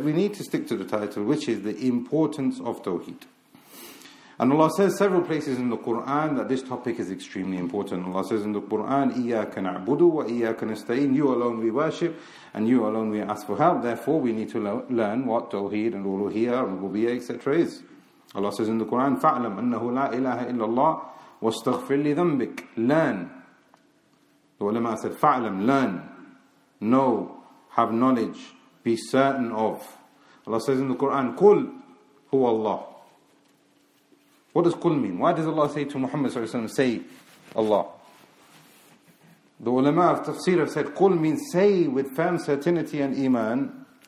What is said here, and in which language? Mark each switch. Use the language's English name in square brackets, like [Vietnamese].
[English] We need to stick to the title, which is the importance of Tawheed. And Allah says several places in the Qur'an that this topic is extremely important. Allah says in the Qur'an, [Arabic] إِيَّاكَ نَعْبُدُ وَإِيَّاكَ نَسْتَعِينَ. [English] You alone we worship, and you alone we ask for help. Therefore, we need to learn what Tawheed and Uluhiyya and Rububiyya, etc. is. Allah says in the Qur'an, [Arabic] فَعْلَمْ أَنَّهُ لَا إِلَهَ إِلَّا اللَّهُ وَاسْتَغْفِرْ لِذَنْبِكَ. [English] Learn. The ulama said, فَعْلَمْ, learn. Know, have knowledge, be certain of. Allah says in the Qur'an, [Arabic] قُلْ هُوَ اللَّهُ. [English] What does qul mean? Why does Allah say to Muhammad sallallahu alaihi wasallam, say Allah? The ulama of tafsir have said qul means say with firm certainty and iman.